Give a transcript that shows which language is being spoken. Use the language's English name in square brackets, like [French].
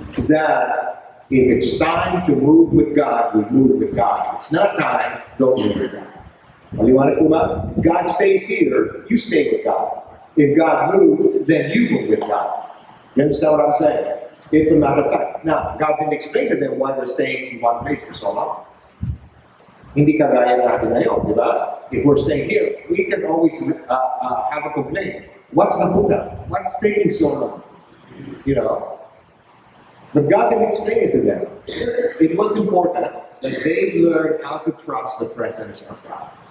[English] That if it's time to move with God, we move with God. If it's not time, don't move with God. [Filipino] Maliwanag po ba? [English] If God stays here, you stay with God. If God moves, then you move with God. You understand what I'm saying? It's a matter of fact. Now, God didn't explain to them why they're staying in one place for so long. [Filipino] Hindi kagaya natin ngayon, di ba? [English] If we're staying here, we can always have a complaint. What's the hold-up? What's taking so long? You know? But God didn't explain it to them. It was important that they learn how to trust the presence of God.